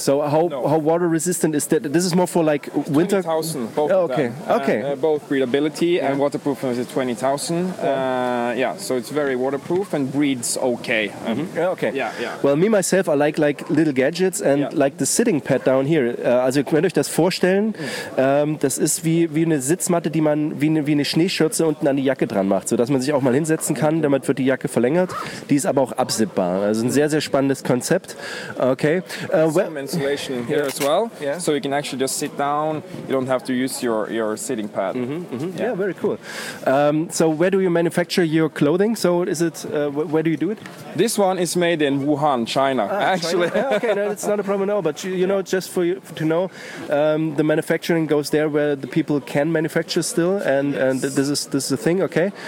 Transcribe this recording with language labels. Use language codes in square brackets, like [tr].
[en] So how water resistant is that? This is more for like winter? 20,000, both of them. Okay. Both breathability and waterproofness is 20,000. So it's very waterproof and breathes okay. Mm-hmm. Yeah, okay. Yeah. Well, me myself, I like little gadgets and like the sitting pad down here. [de] Also könnt ihr euch das vorstellen, das ist wie eine Sitzmatte, die man wie eine Schneeschürze unten an die Jacke dran macht, sodass man sich auch mal hinsetzen kann, damit wird die Jacke verlängert. Die ist aber auch absippbar. Also ein sehr, sehr spannendes Konzept. [en] Okay. Some insulation here as well. Yeah. So you can actually just sit down. You don't have to use your sitting pad. Mm-hmm, mm-hmm. Yeah, very cool. So where do you manufacture your clothing? So is it, where do you do it? This one is made in Wuhan, China, actually. China? Okay, no, it's not a problem at all, but you know, just for you to know, the manufacturing goes there where the people can manufacture still, and this is the thing, okay?